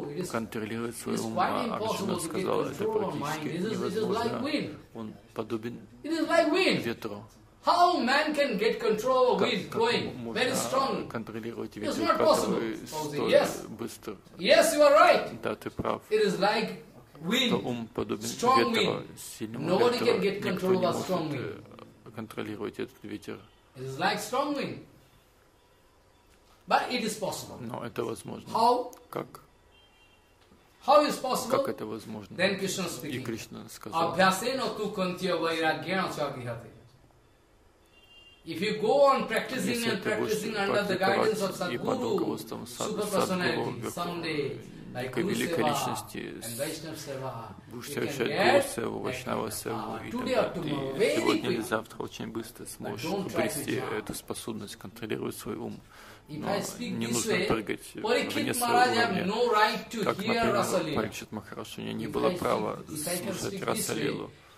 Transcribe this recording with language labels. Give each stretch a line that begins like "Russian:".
Russian: Контролирует свой ум, а Арджуна сказал, это практически невозможно. Он подобен ветру.
English: How man can get control of wind blowing? Very strong.
Russian: Контролировать ветер, который столь быстро.
English: Yes, you are right.
Russian: Да, ты прав.
English: It is like wind.
Russian: Ум подобен ветру, сильному ветру.
English: Nobody can get control of strong wind.
Russian: Контролировать этот ветер.
English: It is like strong wind. But it is possible.
Russian: Но это возможно.
English: How?
Russian: Как?
English: How is possible?
Russian: Как это возможно?
English: Then Krishna speaking.
Russian: И Кришна сказал.
Sanskrit: Abhyaseno tu kunti vairagyena cha vihate.
English: If you go on practicing and practicing under the guidance of Sadguru, Super Personality, someday, like Guru Seva and Vaishnava Seva,
Russian: будешь совершать Гуру Севу, Вашнава Севу, и сегодня или завтра очень быстро сможешь обрести эту способность контролировать свой ум. Но не нужно прыгать вне своего уровня. Как, например, Парикшит Махараш, у меня не было права слушать Расалилу.